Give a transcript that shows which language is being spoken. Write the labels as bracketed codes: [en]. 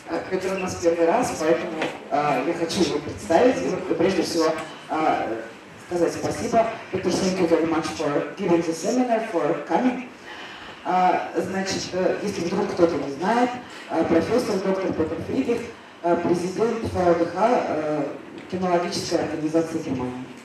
[ru] который у нас первый раз, поэтому я хочу его представить. И прежде всего сказать спасибо. [en] Петер, thank you very much for giving the seminar, for coming. [ru] Значит, если вдруг кто-то не знает, профессор доктор Петер Фридрих, президент ВДХ, кинологической организации Германии.